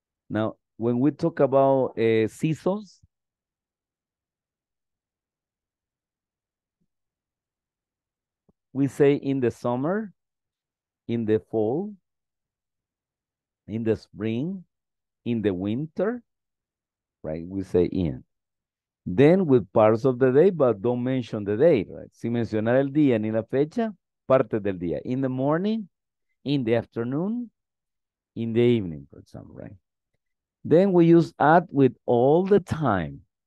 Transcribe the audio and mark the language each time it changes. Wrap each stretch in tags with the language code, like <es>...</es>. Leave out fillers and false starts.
<en>Now, when we talk about seasons, we say in the summer, in the fall, in the spring, in the winter, right? We say in. Then with parts of the day, but don't mention the day, right?</en> <es>Sin mencionar el día ni la fecha, parte del día.</es> <en>In the morning, in the afternoon, in the evening, for example, right? Then we use at with all the time.</en>